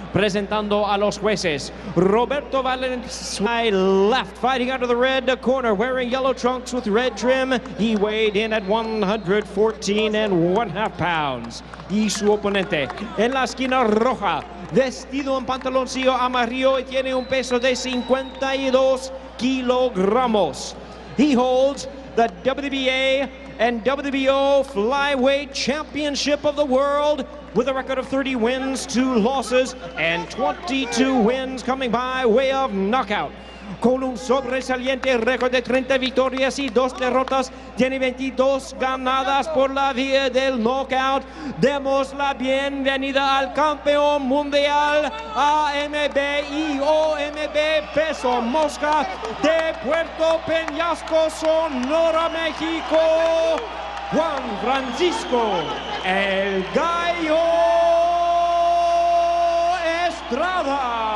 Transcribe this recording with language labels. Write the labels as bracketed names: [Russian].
[Spanish] Presentando a los jueces, [English] Roberto Valenzuela, left, fighting out of the red corner, wearing yellow trunks with red trim. He weighed in at 114.5 pounds. [Spanish] Y su oponente, en la esquina roja, vestido en pantaloncillo amarillo y tiene un peso de 52 kilogramos. [English] He holds the WBA and WBO Flyweight Championship of the World with a record of 30 wins, 2 losses, and 22 wins coming by way of knockout. [Spanish] Con un sobresaliente récord de 30 victorias y 2 derrotas, tiene 22 ganadas por la vía del knockout. Demos la bienvenida al campeón mundial AMB y OMB Peso Mosca de Puerto Peñasco, Sonora, México, Juan Francisco El Gallo Estrada.